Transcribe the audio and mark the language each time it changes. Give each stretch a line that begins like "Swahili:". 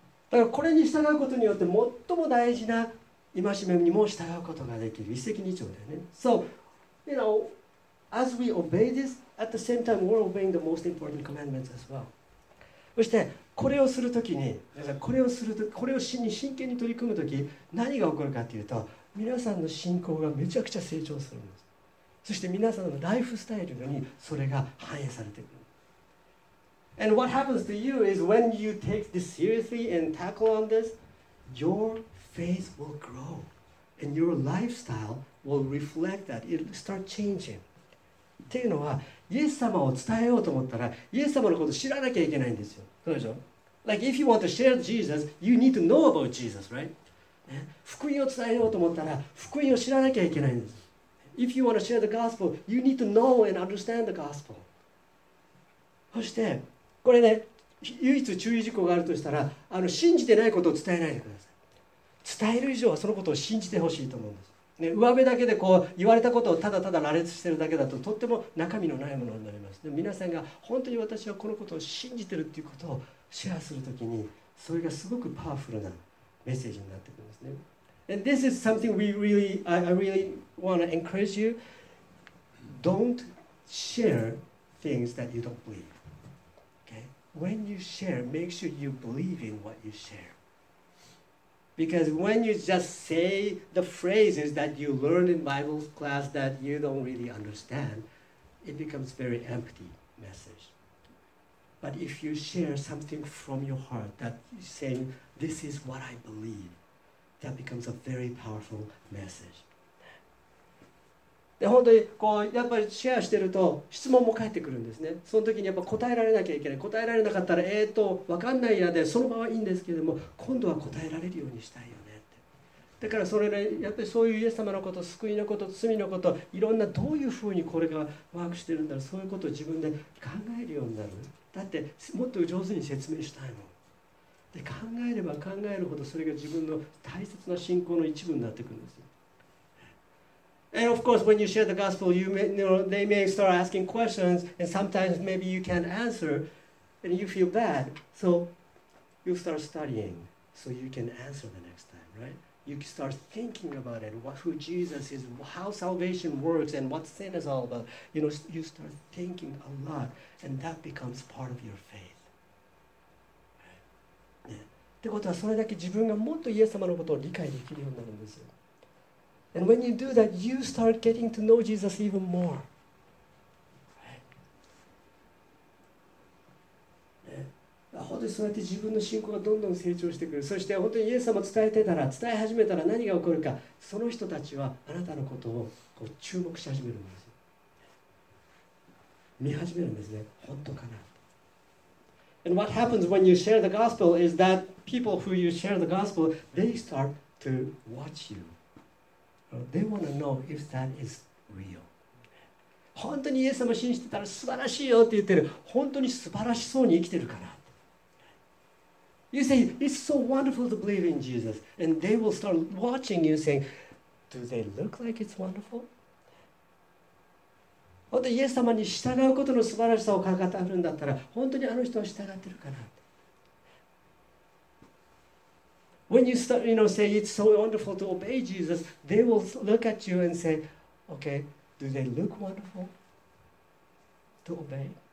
Japanese: だから、これに従うことによって、最も大事な戒めにも従うことができる、一石二鳥だよね。
English: So, you know, as we obey this, at the same time, we're obeying the most important commandments as well.
Japanese: そして、これをするときに、これをするとき、これを真剣に取り組むとき、何が起こるかというと、皆さんの信仰がめちゃくちゃ成長するんです。そして、皆さんのライフスタイルにそれが反映されていく。
English: And what happens to you is when you take this seriously and tackle on this, your faith will grow and your lifestyle will reflect that. It'll start changing.
Japanese: っていうのは、イエス様を伝えようと思ったら、イエス様のことを知らなきゃいけないんですよ。そうでしょ?
English: Like if you want to share Jesus, you need to know about Jesus, right?
Japanese: 福音を伝えようと思ったら、福音を知らなきゃいけないんです。
English: If you want to share the gospel, you need to know and understand the gospel.
Japanese: そして、これね、唯一注意事項があるとしたら、信じてないことを伝えないでください。伝える以上はそのことを信じてほしいと思うんです。ね、上辺だけでこう言われたことをただただ羅列してるだけだととっても中身のないものになります。で、皆さんが本当に私はこのことを信じてるっていうことをシェアするときに、それがすごくパワフルなメッセージになってくるんですね。
English: And this is something we really, I really want to encourage you. Don't share things that you don't believe. Okay? When you share, make sure you believe in what you share. Because when you just say the phrases that you learn in Bible class that you don't really understand, it becomes a very empty message. But if you share something from your heart that you're saying, this is what I believe, that becomes a very powerful message.
Japanese: で、本当にこう、やっぱりシェアしてると質問も返ってくるんですね。その時にやっぱ答えられなきゃいけない。答えられなかったら、わかんないやで、そのままいいんですけども、今度は答えられるようにしたいよねって。だからそれね、やっぱりそういうイエス様のこと、救いのこと、罪のこと、いろんなどういうふうにこれがワークしてるんだろう、そういうことを自分で考えるようになる。だって、もっと上手に説明したいもん。で、考えれば考えるほどそれが自分の大切な信仰の一部になってくるんですよ。
English: And of course, when you share the gospel, you may, you know, they may start asking questions, and sometimes maybe you can't answer, and you feel bad. So you start studying so you can answer the next time, right? You start thinking about it, what, who Jesus is, how salvation works, and what sin is all about. You know, you start thinking a lot, and that becomes part of your faith.
Japanese: ね、ってことはそれだけ自分がもっとイエス様のことを理解できるようになるんですよ。
English: And when you do that, you start getting to know Jesus even more. Right?
Japanese: 本当にそうやって自分の信仰がどんどん成長してくる。そして本当にイエス様を伝えてたら、伝え始めたら何が起こるか、その人たちはあなたのことをこう注目し始めるんですよ。見始めるんですね。本当かな。
English: And what happens when you share the gospel is that people who you share the gospel, they start to watch you. They want to know if that is real.
Japanese: 本当にイエス様を信じてたら素晴らしいよって言ってる。本当に素晴らしそうに生きてるかな。
English: You say, it's so wonderful to believe in Jesus. And they will start watching you saying, do they look like it's wonderful?
Japanese: 本当にイエス様に従うことの素晴らしさを語るんだったら、本当にあの人は従ってるかな。
English: When you start, you know, say it's so wonderful to obey Jesus, they will look at you and say, okay, do they look wonderful to obey?